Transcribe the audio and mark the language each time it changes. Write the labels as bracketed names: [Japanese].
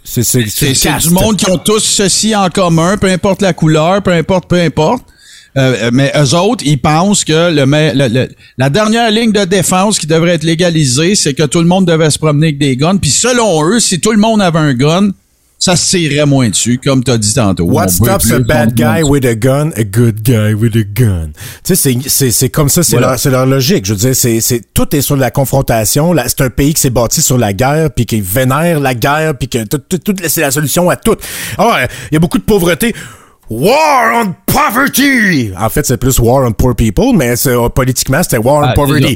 [French] C'est du monde qui ont tous ceci en commun, peu importe la couleur, peu importe. Mais eux autres, ils pensent que la dernière ligne de défense qui devrait être légalisée, c'est que tout le monde devait se promener avec des guns. Puis selon eux, si tout le monde avait un gun, ça se tirerait moins dessus, comme tu as dit tantôt. [English] What stops a bad guy with a gun? A good guy with a gun. [French] Tu sais, c'est comme ça, c'est leur logique. Je veux dire, c'est tout est sur la confrontation. C'est un pays qui s'est bâti sur la guerre, puis qui vénère la guerre, puis que tout c'est la solution à tout. Ah, il y a beaucoup de pauvreté. [English] War on poverty! [French] En fait, c'est plus [English] war on poor people, [French] mais politiquement, c'était [English] war on poverty.